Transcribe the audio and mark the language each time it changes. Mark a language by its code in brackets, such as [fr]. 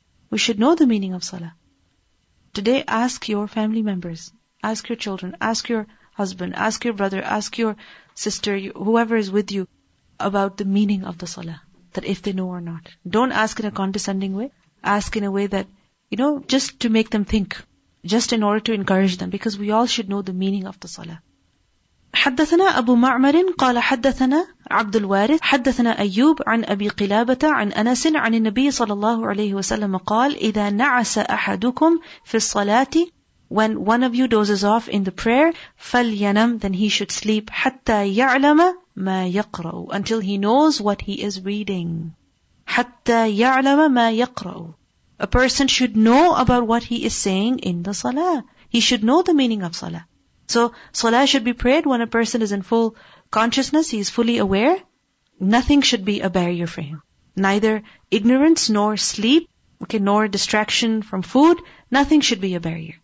[en] We should know the meaning of salah. Today, ask your family members, ask your children, ask your husband, ask your brother, ask your sister, whoever is with you, about the meaning of the salah, that if they know or not. Don't ask in a condescending way. Ask in a way that, you know, just to make them think. Just in order to encourage them, because we all should know the meaning of the salah. [ar] حدثنا أبو معمر قال حدثنا عبد الوارث حدثنا أيوب عن أبي قلابة عن أنس عن النبي صلى الله عليه وسلم قال إذا نعس أحدكم في الصلاة [en] when one of you dozes off in the prayer [ar] فلينم [en] then he should sleep [ar] حتى يعلم ما يقرأ [en] until he knows what he is reading [ar] حتى يعلم ما يقرأ. [en] A person should know about what he is saying in the salah. He should know the meaning of salah. So salah should be prayed when a person is in full consciousness, he is fully aware. Nothing should be a barrier for him. Neither ignorance nor sleep, okay, nor distraction from food, nothing should be a barrier.